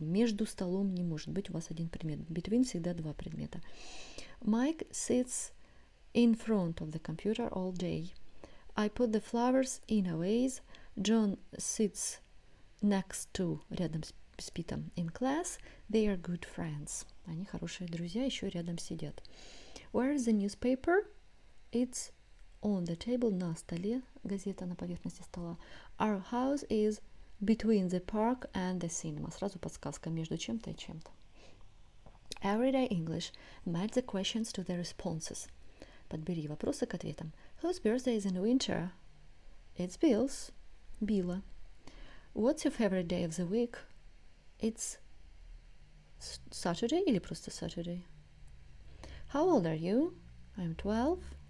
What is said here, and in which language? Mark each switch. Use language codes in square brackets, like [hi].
[ru] Между столом не может быть у вас один предмет. Between всегда два предмета. [en] Mike sits in front of the computer all day. I put the flowers in a vase. John sits next to, [ru] рядом с Питом, [en] in class. They are good friends. [ru] Они хорошие друзья, еще рядом сидят. [en] Where is the newspaper? It's on the table, [ru] на столе. Газета на поверхности стола. [en] Our house is between the park and the cinema. [ru] Сразу подсказка, между чем-то и чем-то. [en] Everyday English. Match the questions to the responses. [ru] Подбери вопросы к ответам. [en] Whose birthday is in winter? It's Bill's. Билла. What's your favorite day of the week? It's Saturday или просто Saturday. How old are you? I'm 12.